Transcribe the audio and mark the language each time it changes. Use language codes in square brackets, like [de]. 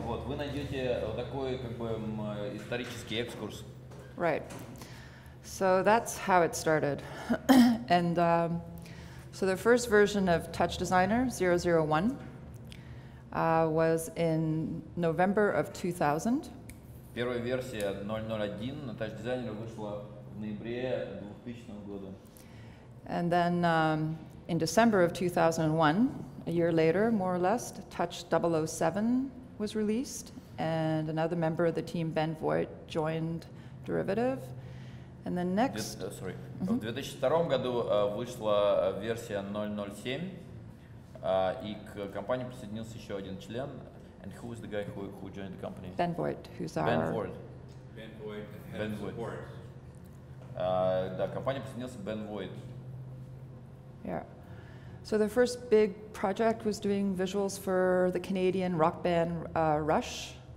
[ru] Вот, вы найдете вот такой как бы исторический экскурс. [en] Right. So that's how it started. And so the first version of TouchDesigner 001 was in November of 2000. [ru] Первая версия 001 TouchDesigner вышла в ноябре 2000 года. [en] And then in December of 2001, a year later, more or less, Touch 007 was released, and another member of the team, Ben Voigt, joined Derivative. And then next... Mm-hmm. [ru] В 2002 году вышла версия 007, и к компании присоединился еще один член. [en] And who is the guy who joined the company? Ben Voigt, who's our... Ben Voigt. [ru] Да, компания присоединился Ben Voigt. [en] Yeah. So the first big project was doing visuals for the Canadian rock band Rush.